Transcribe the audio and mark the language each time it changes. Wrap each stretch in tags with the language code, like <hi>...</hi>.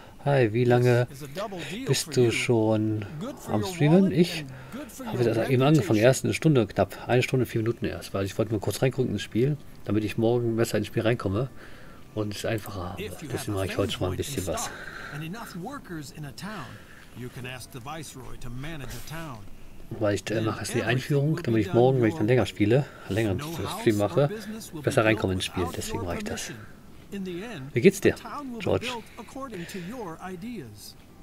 <de>Hi, wie lange bist du schon am Streamen? Ich habe das eben angefangen, erst eine Stunde knapp, eine Stunde, vier Minuten erst, weil ich wollte mal kurz reingucken ins Spiel, damit ich morgen besser ins Spiel reinkomme. Und es einfacher habe. Deswegen mache ich heute schon mal ein bisschen was.</de> <en>And enough workers in a town, you can ask the Viceroy to manage a town.</en> <de>Weil ich mache jetzt die Einführung, damit ich morgen, wenn ich dann länger spiele, länger das Spiel mache, besser reinkomme ins Spiel. Deswegen mache ich das. Wie geht's dir, George?</de> <en>According to your ideas.</en>